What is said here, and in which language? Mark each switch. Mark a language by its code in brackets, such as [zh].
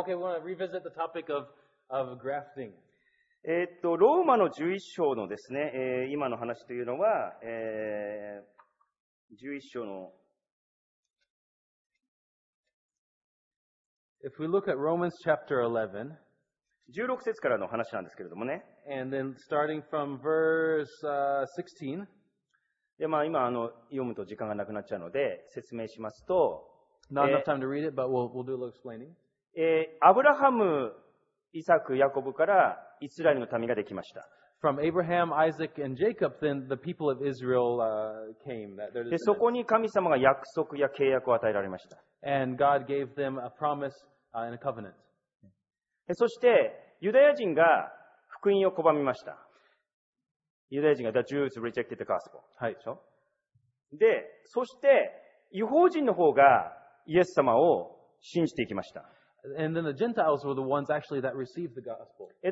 [en] Okay, we want to revisit the topic of grafting. [ja] ローマの11章のですね、今の話というのは、11章の [en] If we look at Romans chapter 11, [ja] 16節からの話なんですけれどもね。 [en] And then starting from verse 16. [ja] で、まあ今読むと時間がなくなっちゃうので、説明しますと。 [en] Not enough time to read it, but we'll do a little explaining. [ja] アブラハム、イサク、ヤコブからイスラエルの民ができました。 [en] From Abraham, Isaac, and Jacob, then the people of Israel came. [ja] で、そこに神様が約束や契約を与えられました。 [en] And God gave them a promise and a covenant. [ja] そして、ユダヤ人が福音を拒みました。ユダヤ人が、 [en] The Jews rejected the gospel. [ja] はい。でしょ? で、そして、違法人の方がイエス様を信じていきました。 [en] And then the Gentiles were the ones actually that received the gospel.